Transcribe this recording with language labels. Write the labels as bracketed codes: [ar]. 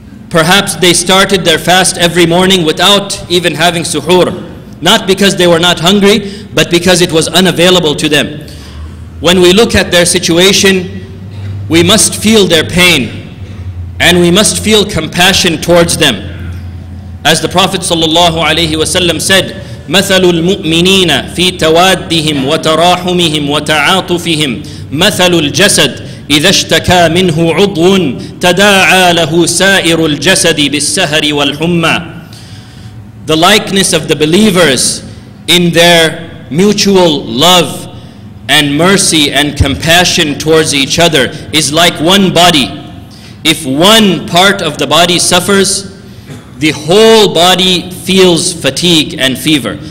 [en] Perhaps they started their fast every morning without even having suhoor, not because they were not hungry, but because it was unavailable to them. When we look at their situation, we must feel their pain, and we must feel compassion towards them. As the Prophet sallallahu alaihi wasallam said, [ar] مثل المؤمنين في توادهم وتراحمهم وتعاطفهم مثل الجسد إذا اشتكى منه عضو تداعى له سائر الجسد بالسهر والحمى. [en] The likeness of the believers in their mutual love and mercy and compassion towards each other is like one body. If one part of the body suffers, the whole body feels fatigue and fever.